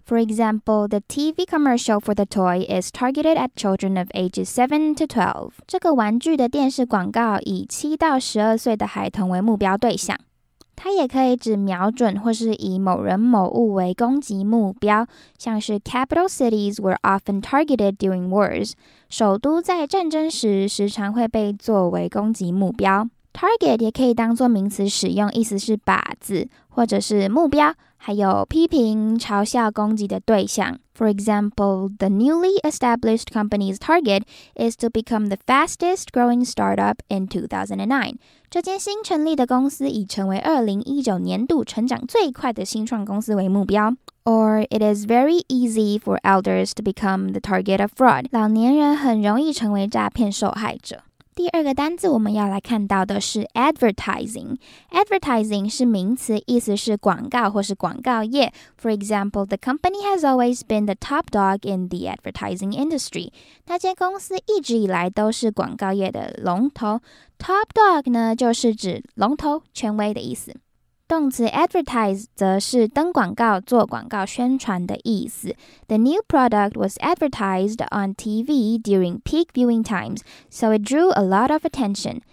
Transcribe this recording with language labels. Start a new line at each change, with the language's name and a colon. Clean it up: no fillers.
English: For example, the TV commercial for the toy is targeted at children of ages 7 to 12.
Chinese: 这个玩具的电视广告以7到12岁的孩童为目标对象。它也可以指瞄准或是以某人某物为攻击目标，像是
English: capital cities were often targeted during wars，
Chinese: 首都在战争时时常会被作为攻击目标。 target 也可以当作名词使用，意思是靶子或者是目标，还有批评、嘲笑、攻击的对象。
English: For example, the newly established company's target is to become the fastest growing startup in 2009.
Chinese: 这间新成立的公司已成为2019年度成长最快的新创公司为目标。
English: Or it is very easy for elders to become the target of fraud.
Chinese: 老年人很容易成为诈骗受害者。第二个单字我们要来看到的是 advertising。 Advertising 是名词，意思是广告或是广告业。
English: For example, the company has always been the top dog in the advertising industry.
Chinese: 那间公司一直以来都是广告业的龙头。 Top dog 呢，就是指龙头、权威的意思。动词 advertise 则是登广告、做广告宣传的意思。
English: The new product was advertised on TV during peak viewing times, so it drew a lot of attention.